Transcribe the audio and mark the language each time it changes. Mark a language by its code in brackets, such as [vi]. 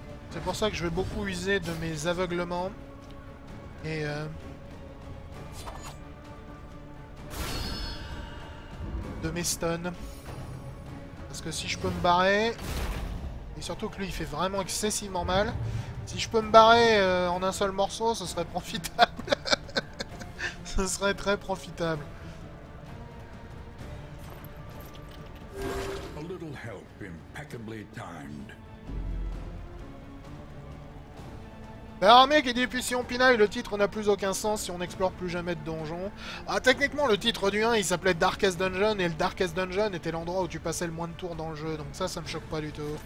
[fr] C'est pour ça que je vais beaucoup user de mes aveuglements. Et de mes stuns. Parce que si je peux me barrer. Et surtout que lui il fait vraiment excessivement mal. Si je peux me barrer en un seul morceau, ce serait profitable. Ce serait très profitable. [en] A little help impeccably timed. [fr] Bah, un mec, il dit, puis si on pinaille, le titre n'a plus aucun sens si on n'explore plus jamais de donjons. Ah, techniquement, le titre du 1, il s'appelait Darkest Dungeon, et le Darkest Dungeon était l'endroit où tu passais le moins de tours dans le jeu, donc ça, ça me choque pas du tout.